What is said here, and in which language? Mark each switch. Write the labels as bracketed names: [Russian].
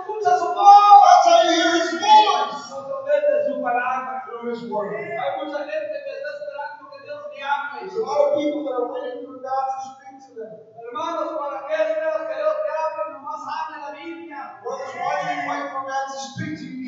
[Spanish] Hay mucha gente que está esperando que Dios [English] people that are waiting for God to speak to them. [Spanish] Hermanos, para que esperas que Dios te hable, nomás abre la Biblia. [English] Brothers, why do you wait for God to speak to you?